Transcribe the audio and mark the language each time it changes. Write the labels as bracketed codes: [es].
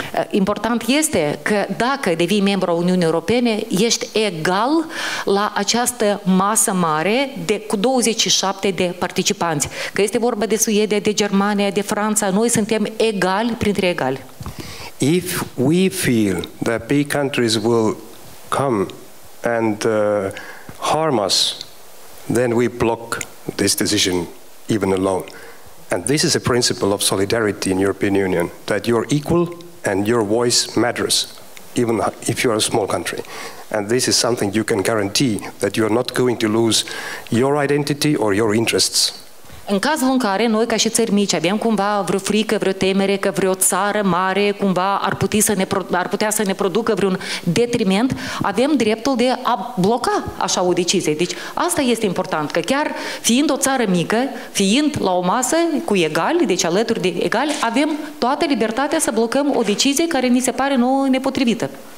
[ro] Important este că dacă devii membru a Uniunii Europene, ești egal la această masă mare de, cu 27 de participanți. Că este vorba de Suedia, de Germania, de Franța, noi suntem egali printre egali. [en] If we feel that big countries will come and harm us, then we block this decision even alone. And this is a principle of solidarity in European Union, that you're equal and your voice matters, even if you're a small country. And this is something you can guarantee, that you're not going to lose your identity or your interests. [ro] În cazul în care noi, ca și țări mici, avem cumva vreo frică, vreo temere, că vreo țară mare cumva ar putea să ne producă vreun detriment, avem dreptul de a bloca așa o decizie. Deci asta este important, că chiar fiind o țară mică, fiind la o masă cu egali, deci alături de egali, avem toată libertatea să blocăm o decizie care ni se pare nouă nepotrivită.